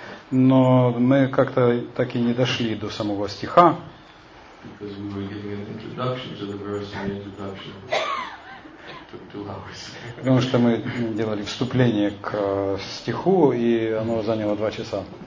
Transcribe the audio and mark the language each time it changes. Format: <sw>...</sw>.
<ru>Но мы как-то так и не дошли до самого стиха.</ru> <en>Because we were giving an introduction to the verse, and the introduction took 2 hours.</en> <ru>Потому что мы делали вступление к стиху, и оно заняло 2 часа.</ru>